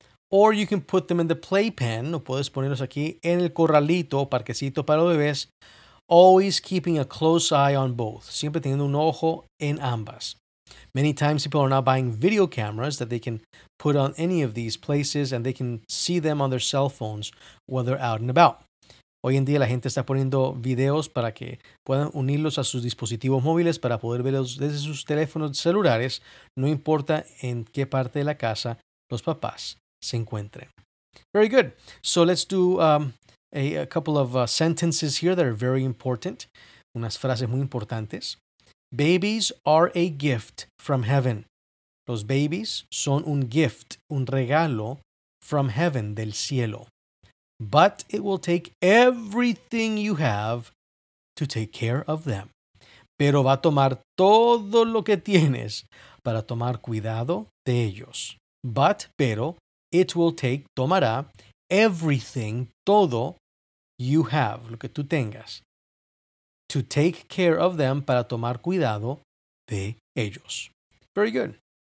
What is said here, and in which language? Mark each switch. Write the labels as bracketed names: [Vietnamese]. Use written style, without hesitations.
[English] Or you can put them in the playpen. [Spanish] O puedes ponerlos aquí en el corralito o parquecito para bebés. [English] Always keeping a close eye on both. [Spanish] Siempre teniendo un ojo en ambas. [English] Many times people are now buying video cameras that they can put on any of these places and they can see them on their cell phones while they're out and about. [Spanish] Hoy en día la gente está poniendo videos para que puedan unirlos a sus dispositivos móviles para poder verlos desde sus teléfonos celulares, no importa en qué parte de la casa los papás se encuentren. [English] Very good. So let's do a couple of sentences here that are very important. [Spanish] Unas frases muy importantes. [English] Babies are a gift from heaven. [Spanish] Los babies son un gift, un regalo [English] from heaven, [Spanish] del cielo. [English] But it will take everything you have to take care of them. [Spanish] Pero va a tomar todo lo que tienes para tomar cuidado de ellos. [English] But, pero, it will take, tomará, everything, todo you have, [Spanish] lo que tú tengas. [English] To take care of them, [Spanish] para tomar cuidado de ellos. [English] Very good.